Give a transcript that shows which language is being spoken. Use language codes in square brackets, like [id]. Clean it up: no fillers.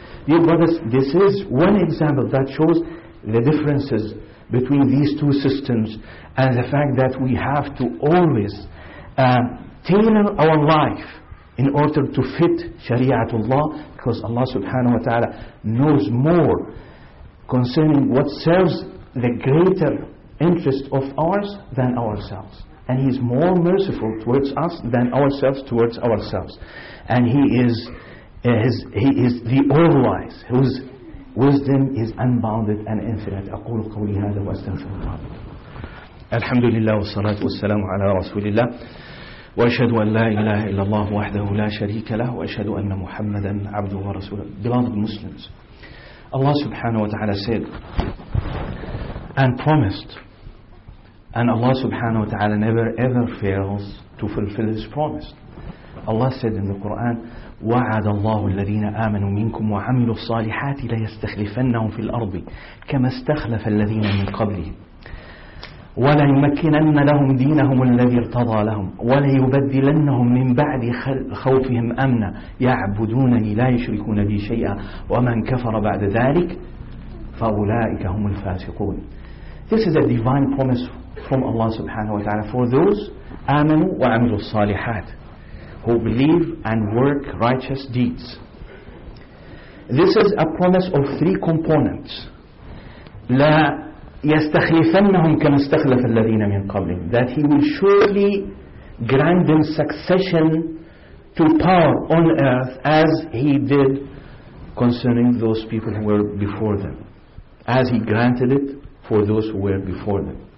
[en] Dear brothers, this is one example that shows the differences between these two systems and the fact that we have to always tailor our life in order to fit Shariatullah, because Allah subhanahu wa ta'ala knows more concerning what serves the greater interest of ours than ourselves. And He is more merciful towards us than ourselves towards ourselves. And He is the all-wise, whose wisdom is unbounded and infinite. [ar] أقول قولي هذا وأستغفر الله. الحمد لله والصلاة والسلام على رسول الله وأشهد أن لا إله إلا الله وحده لا شريك له وأشهد أن محمدا عبده ورسوله. [en] Beloved Muslims, Allah subhanahu wa ta'ala said and promised, and Allah subhanahu wa ta'ala never ever fails to fulfill His promise. Allah said in the Quran, [ar] وَعَدَ اللَّهُ الَّذِينَ آمَنُوا مِنْكُمْ وَعَمِلُوا الصَّالِحَاتِ لَيَسْتَخْلِفَنَّهُمْ فِي الْأَرْضِ كَمَا اسْتَخْلَفَ الَّذِينَ مِنْ قَبْلِهِمْ وَلَيُمَكِّنَنَّ لَهُمْ دِينَهُمُ الَّذِي ارْتَضَى لَهُمْ وَلَيُبَدِّلَنَّهُمْ مِنْ بَعْدِ خَوْفِهِمْ أَمْنًا يَعْبُدُونَنِي لَا يُشْرِكُونَ بِي شَيْئًا وَمَنْ كَفَرَ بَعْدَ ذَلِكَ فَأُولَئِكَ هُمُ الْفَاسِقُونَ. [en] This is a divine promise from Allah subhanahu wa ta'ala for those [ar] آمنوا وعملوا الصالحات, [en] who believe and work righteous deeds. This is a promise of three components. [ar] لا يستخلفنهم كما استخلف الذين من قبلهم, [en] that he will surely grant them succession to power on earth as he did concerning those people who were before them, as he granted it for those who were before them.